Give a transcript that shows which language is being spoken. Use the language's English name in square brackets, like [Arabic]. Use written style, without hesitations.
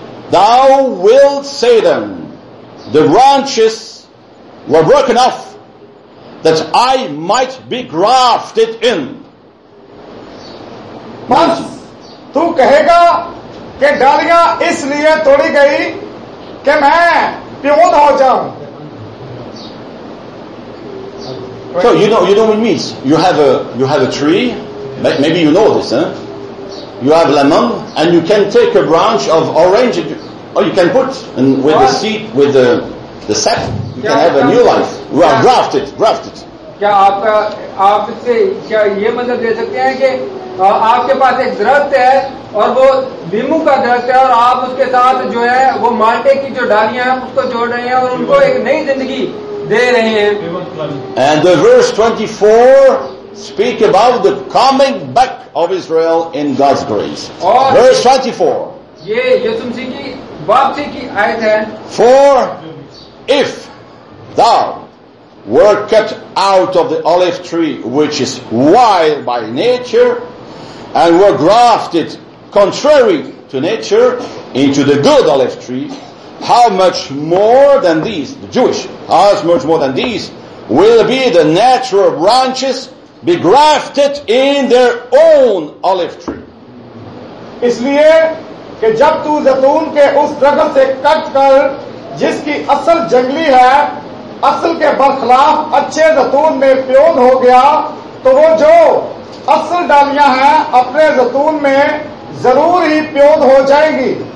[English] Thou will say them, the branches were broken off that I might be grafted in. [Urdu] پس تو کہے گا کہ ڈالیاں اس لیے توڑی گئی کہ میں پیوند ہو جاؤں. [English] So you know what it means. You have a tree, maybe you know this, huh? You have lemon, and you can take a branch of orange, or you can put and with the seed, with the sap, you can have a new life. You are grafted. [Urdu] کیا آپ آپ سے کیا یہ مطلب دے سکتے ہیں کہ آپ کے پاس ایک درخت ہے اور وہ لیمو کا درخت ہے اور آپ اس کے ساتھ جو ہے وہ مالٹے کی جو ڈالیاں ہیں اس کو جوڑ رہے ہیں اور ان کو ایک نئی زندگی. [English] And the verse 24 speak about the coming back of Israel in God's grace. Verse 24. For if thou were cut out of the olive tree which is wild by nature and were grafted contrary to nature into the good olive tree, how much more than these, the Jewish, as much more than these, will be the natural branches be grafted in their own olive tree. [Urdu] اس لیے کہ جب تو زیتون کے اس درخت سے کٹ کر جس کی اصل جنگلی ہے اصل کے برخلاف اچھے زیتون میں پیوند ہو گیا تو وہ جو اصل ڈالیاں ہیں اپنے زیتون میں ضرور ہی پیوند ہو جائیں گی.